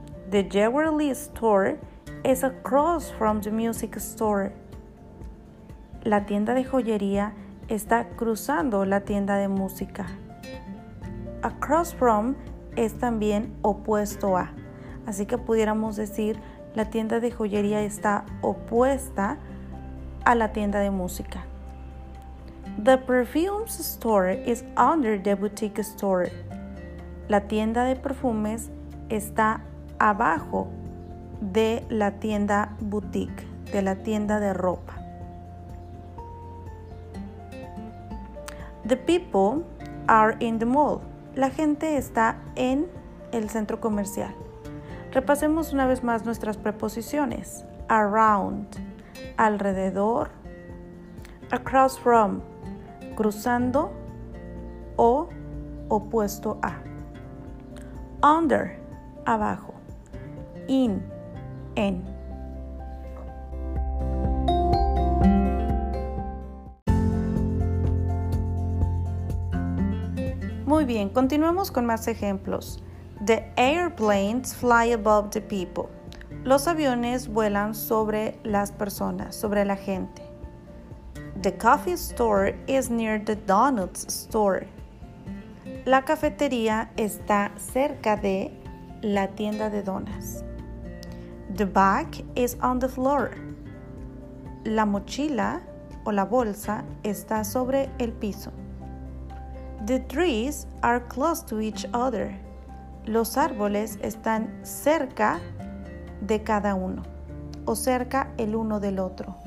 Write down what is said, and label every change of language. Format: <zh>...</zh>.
<en>The jewelry store is across from the music store.</en> <es>La tienda de joyería está cruzando la tienda de música.</es> <en>Across from</en> <es>es también opuesto a. Así que pudiéramos decir, la tienda de joyería está opuesta a la tienda de música.</es> <en>The perfume store is under the boutique store.</en> <es>La tienda de perfumes está abajo de la tienda boutique, de la tienda de ropa.</es> <en>The people are in the mall.</en> <es>La gente está en el centro comercial. Repasemos una vez más nuestras preposiciones. Around, alrededor. Across from, cruzando o opuesto a. Under, abajo. In, en. Muy bien, continuemos con más ejemplos.</es> <en>The airplanes fly above the people.</en> <es>Los aviones vuelan sobre las personas, sobre la gente.</es> <en>The coffee store is near the donuts store.</en> <es>La cafetería está cerca de la tienda de donas.</es> <en>The bag is on the floor.</en> <es>La mochila o la bolsa está sobre el piso.</es> <en>The trees are close to each other.</en> <es>Los árboles están cerca de cada uno o cerca el uno del otro.</es>